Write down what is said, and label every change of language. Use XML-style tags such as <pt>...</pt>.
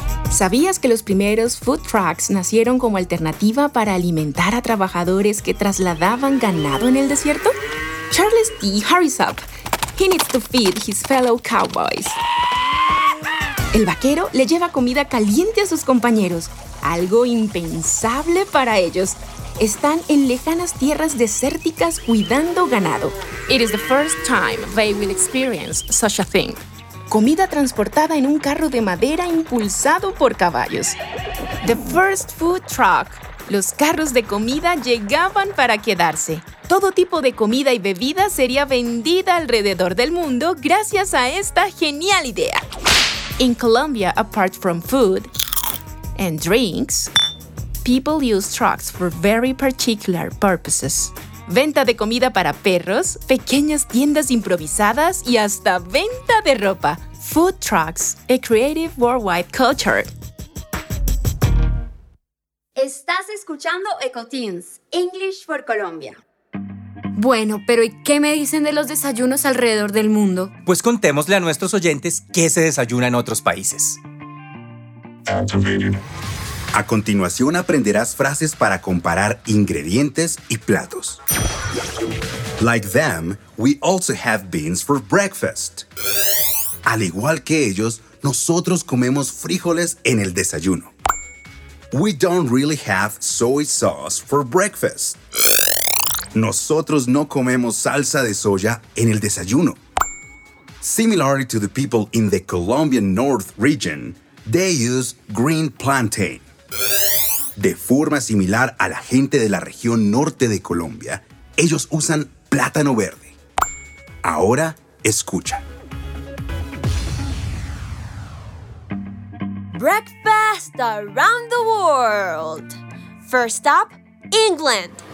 <es>¿Sabías que los primeros food trucks nacieron como alternativa para alimentar a trabajadores que trasladaban ganado en el desierto?</es> <en>Charles D. hurries up. He needs to feed his fellow cowboys.</en> <es>El vaquero le lleva comida caliente a sus compañeros, algo impensable para ellos. Están en lejanas tierras desérticas cuidando ganado.</es> <en>It is the first time they will experience such a thing.</en> <es>Comida transportada en un carro de madera impulsado por caballos.</es> <en>The first food truck.</en> <es>Los carros de comida llegaban para quedarse. Todo tipo de comida y bebida sería vendida alrededor del mundo gracias a esta genial idea.</es> <en>In Colombia, apart from food and drinks, people use trucks for very particular purposes.</en> <es>Venta de comida para perros, pequeñas tiendas improvisadas y hasta venta de ropa.</es> <en>Food trucks, a creative worldwide culture.</en> <es>Estás escuchando EcoTunes, English for Colombia. Bueno, pero ¿y qué me dicen de los desayunos alrededor del mundo? Pues contémosle a nuestros oyentes qué se desayuna en otros países. A continuación aprenderás frases para comparar ingredientes y platos.</es> <en>Like them, we also have beans for breakfast.</en> <es>Al igual que ellos, nosotros comemos frijoles en el desayuno.</es> <en>We don't really have soy sauce for breakfast.</en> <es>Nosotros no comemos salsa de soya en el desayuno.</es> <en>Similarly to the people in the Colombian North region, they use green plantain.</en> <es>De forma similar a la gente de la región norte de Colombia, ellos usan plátano verde. Ahora, escucha.</es> <en>Breakfast around the world. First up, England.</en>